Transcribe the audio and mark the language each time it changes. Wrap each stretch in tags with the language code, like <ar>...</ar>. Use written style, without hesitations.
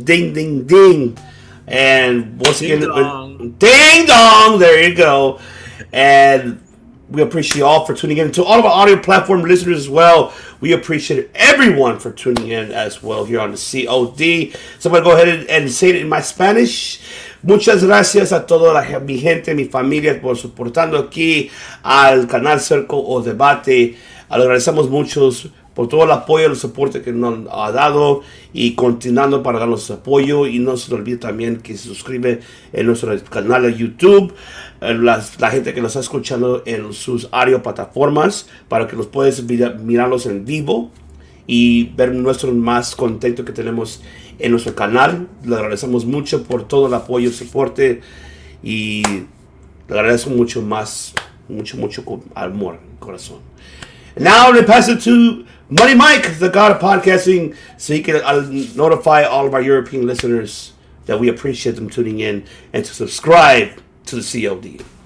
<en>Ding, ding, ding. And once again, ding dong. There you go. And we appreciate you all for tuning in. To all of our audio platform listeners as well, we appreciate everyone for tuning in as well here on the COD. So I'm going to go ahead and say it in my Spanish.</en> <es>Muchas gracias a toda la mi gente, mi familia, por soportando aquí al canal Cerco o Debate. Agradecemos mucho por todo el apoyo y el soporte que nos ha dado y continuando para darnos su apoyo. Y no se olvide también que se suscribe en nuestro canal de YouTube. La gente que nos está escuchando en sus audio plataformas para que los puedas mirarlos en vivo y ver nuestro más contento que tenemos en nuestro canal. Le agradecemos mucho por todo el apoyo y soporte y le agradezco mucho más, mucho, mucho amor, corazón.</es> <en>Now I'm going to pass it to Money Mike, the God of Podcasting, so he can notify all of our European listeners that we appreciate them tuning in and to subscribe to the COD.</en>